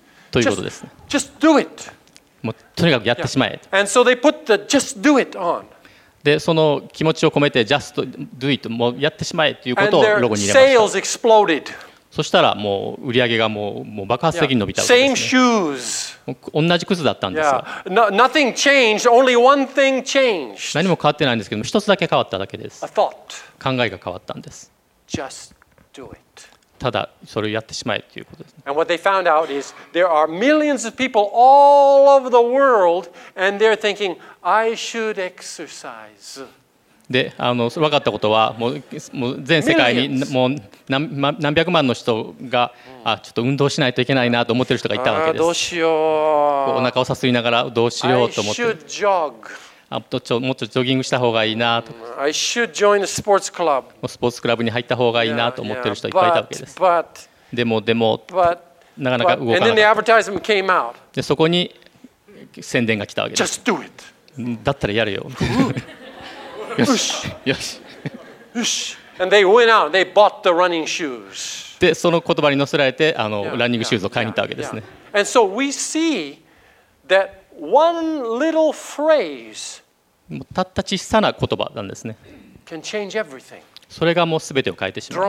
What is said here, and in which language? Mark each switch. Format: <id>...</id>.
<ja>ということです。</ja> <en>Just do it.</en> <ja>もうとにかくやってしまえ。</ja> <en>Yeah. And so they put the just do it on.</en> <ja>でその気持ちを込めて just do it. もうやってしまえということをロゴに入れ</ja> <en>ました。And their sales exploded.</en> <ja>そしたらもう売り上げがもう爆発的に伸びたわけですね。同じ靴だったんですが、</ja> <en>Nothing changed, only one thing changed.</en> <ja>何も変わってないんですけども、一つだけ変わっただけです。</ja> <en>A thought.</en> <ja>考えが変わったんです。</ja> <en>Just do it.</en> <ja>ただそれをやってしまえということですね。</ja> <en>And what they found out is there are millions of people all over the world and they're thinking, I should exercise.</en> <ja>で分かったことはもう全世界にもう 何百万の人が、うん、ちょっと運動しないといけないなと思ってる人がいたわけです。どうしよう、お腹をさすりながらどうしようと思って、もうちょっとジョギングした方がいいなと、う</ja> <en>ん、I should join a sports club.</en> <ja>スポーツクラブに入った方がいいなと思ってる人がいっぱいいたわけです。でもなかなか動かなかった。</ja> <en>And then the advertisement came out.</en> <ja>でそこに宣伝が来たわけです。</ja> <en>Just do it.</en> <ja>だったらやるよよし、</ja> <en>よし、And they went out. They bought the running shoes.</en> <ja>で、その言葉に乗せられてランニングシューズを買いに行ったわけですね。</ja> <en>And so we see that one little phrase.</en> <ja>たった小さな言葉なんですね。</ja> <en>Can change everything.</en> <ja>それがもうすべてを変えてしまう。</ja>